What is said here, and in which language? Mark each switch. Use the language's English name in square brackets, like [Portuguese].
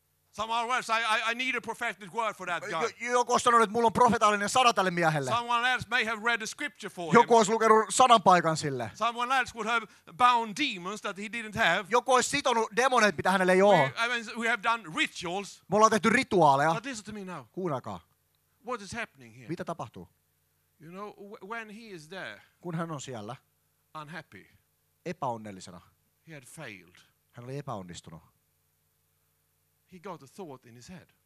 [English] Someone else, I need a prophetic word for that guy. [Finnish] Joku olisi sanonut että mulla on profetaalinen sana tälle miehelle. [English] Someone else may have read a scripture for him. [Finnish] Joku olisi lukenut sananpaikan sille. [English] Someone else would have bound demons that he didn't have. [Finnish] Joku olisi sitonut demoneet mitä hänellä ei ole. [English] We have done rituals. [Finnish] Me ollaan tehty rituaaleja. [English] But listen to me now. [Finnish] Kuunnakaa. [English] What is happening here? [Finnish] Mitä tapahtuu? [English] You know, when he is there. [Finnish] Kun hän on siellä. [English] Unhappy. [Finnish] Epäonnellisena. [English] He had failed. [Finnish] Hän oli epäonnistunut. [English] He got a thought in his head.